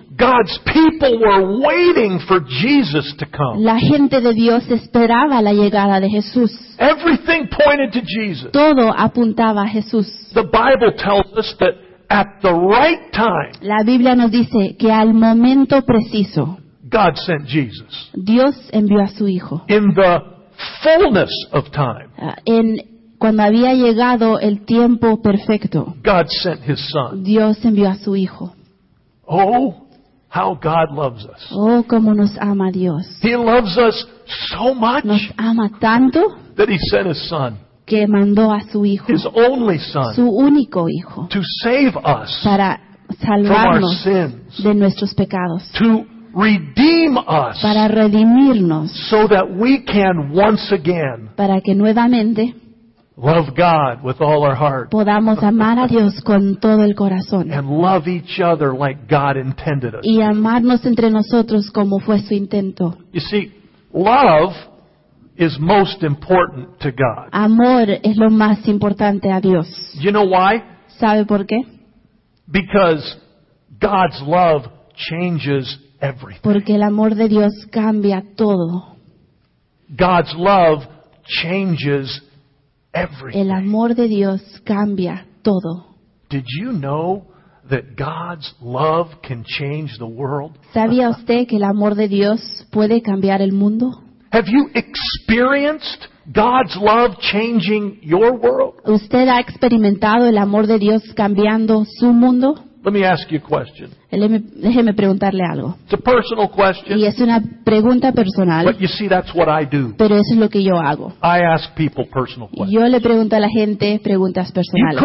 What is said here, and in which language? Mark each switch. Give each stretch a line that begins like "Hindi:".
English: God's people were waiting for Jesus to come.
Spanish: La gente de Dios esperaba la llegada de Jesús.
English: Everything pointed to Jesus.
Spanish: Todo apuntaba a Jesús.
English: The Bible tells us that at the right time,
Spanish: la Biblia nos dice que al momento preciso,
English: God sent Jesus.
Spanish: Dios envió a su Hijo.
English: In the fullness of time,
Spanish: cuando había llegado el tiempo perfecto,
English: God sent His Son.
Spanish: Dios envió a su Hijo.
English: Oh, how God loves us.
Spanish: Oh, cómo nos ama Dios.
English: He loves us so much.
Spanish: Nos ama tanto.
English: That He sent His Son.
Spanish: Que mandó a su Hijo.
English: His only Son.
Spanish: Su único Hijo.
English: To save us.
Spanish: Para salvarnos.
English: From our sins.
Spanish: De nuestros pecados.
English: To redeem us.
Spanish: Para redimirnos.
English: So that we can once again.
Spanish: Para que nuevamente.
English: Love God with all our heart.
Spanish: Podamos amar a Dios con todo el corazón.
English: And love each other like God intended us.
Spanish: Y amarnos entre nosotros como fue su intento.
English: You see, love is most important to God.
Spanish: Amor es lo más importante a Dios.
English: You know why?
Spanish: ¿Sabe por qué?
English: Because God's love changes everything.
Spanish: Porque el amor de Dios cambia todo.
English: God's love changes everything.
Spanish: El amor de Dios cambia todo.
English: Did you know that God's love can change the world?
Spanish: ¿Sabía usted que el amor de Dios puede cambiar el mundo?
English: Have you experienced God's love changing your world?
Spanish: ¿Usted ha experimentado el amor de Dios cambiando su mundo?
English: Let me ask you a question.
Spanish: Déjeme preguntarle algo.
English: It's a personal question.
Spanish: Y es una pregunta personal.
English: But you see, that's what I do.
Spanish: Pero eso es lo que yo hago.
English: I ask people personal questions.
Spanish: Yo le pregunto a la gente preguntas personales.